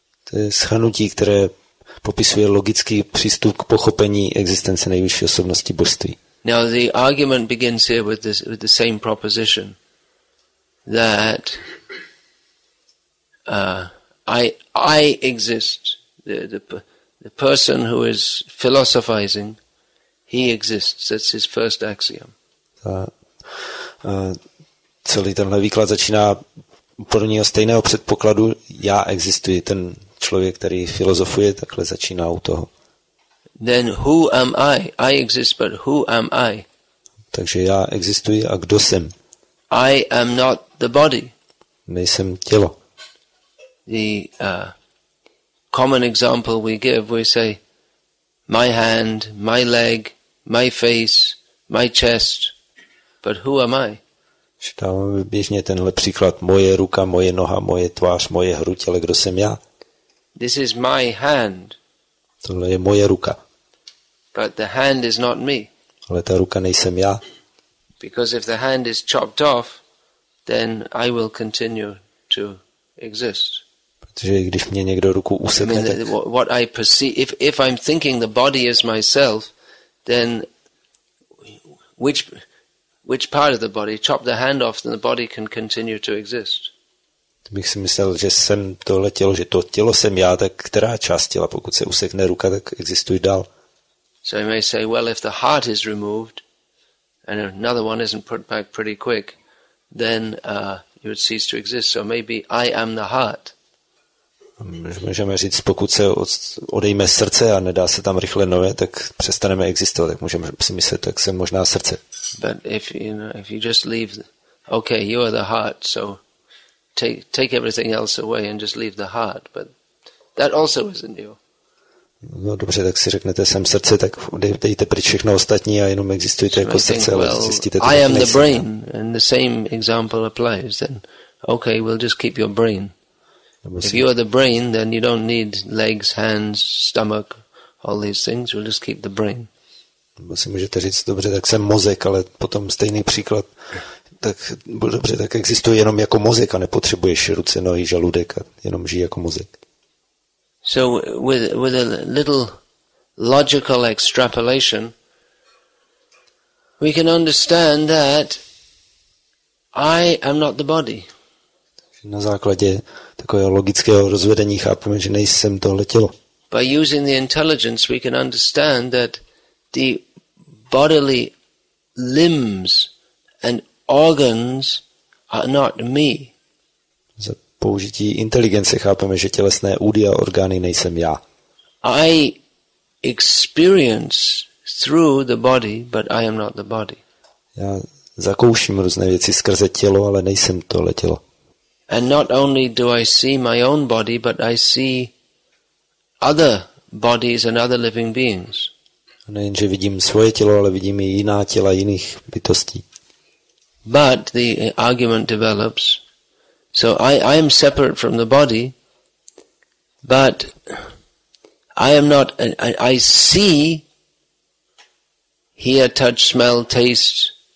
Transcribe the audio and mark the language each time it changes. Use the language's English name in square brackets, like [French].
[Czech] To je shrnutí, které popisuje logický přístup k pochopení existence nejvyšší osobnosti božství. [English] Now the argument begins here with this, with the same proposition that I exist. The person who is philosophizing, he exists. That's his first axiom. [Czech] Celý tenhle výklad začíná úplně o stejného předpokladu. Já existuji. Ten člověk, který filozofuje, takhle začíná u toho. [English] Then who am I? I exist, but who am I? [Czech] Takže já existuji a kdo jsem? [English] I am not the body. [Czech] Nejsem tělo. [English] The common example we give, we say, my hand, my leg, my face, my chest, but who am I? [Czech] Dáváme běžně tenhle příklad, moje ruka, moje noha, moje tvář, moje hruď, ale kdo jsem já? [English] This is my hand. [Czech] Tohle je moje ruka. [English] But the hand is not me. [Czech] Ale ta ruka nejsem já. [English] Because if the hand is chopped off, then I will continue to exist. [Czech] Protože když mě někdo ruku usekne, [English] I mean, what I perceive, if I'm thinking the body is myself, then which part of the body? Chop the hand off, then the body can continue to exist. [Czech] Bych si myslel, že jsem tohle tělo, že to tělo jsem já, tak která část těla, pokud se usekne ruka, tak existuje dál. [English] So you may say, well, if the heart is removed and another one isn't put back pretty quick, then you would cease to exist. So maybe I am the heart. [Czech] Můžeme říct, pokud se odejme srdce a nedá se tam rychle nové, tak přestaneme existovat. Tak můžeme si myslet, tak jsem možná srdce. [English] But if you know, if you just leave, okay, you are the heart, so take everything else away and just leave the heart, but that also isn't you. [Czech] No dobře, tak si řeknete, jsem srdce, tak dejte pryč všechno ostatní a jenom existujte jako srdce, ale zjistíte, [English] I am the brain, and the same example applies, then okay, we'll just keep your brain. If you are the brain, then you don't need legs, hands, stomach, all these things, we'll just keep the brain. [Czech] Nebo si můžete říct, dobře, tak jsem mozek, ale potom stejný příklad, tak dobře, tak existuje jenom jako mozek a nepotřebuješ ruce, nohy, žaludek a jenom žij jako mozek. [English] So with a little logical extrapolation, we can understand that I am not the body. [Czech] Na základě takového logického rozvedení chápeme, že nejsem tohle tělo. [English] By using the intelligence, we can understand that the bodily limbs and organs are not me. [Czech] Použití inteligence chápeme, že tělesné údy a orgány nejsem já. [English] I experience through the body, but I am not the body. [Czech] Já zakouším různé věci skrze tělo, ale nejsem tohle tělo. [English] And not only do I see my own body, but I see other bodies and other living beings. [Czech] Nejenže vidím svoje tělo, ale vidím i jiná těla jiných bytostí. [English] But the argument develops. So I am separate from the body, but I am not. I see, hear, touch, smell, taste.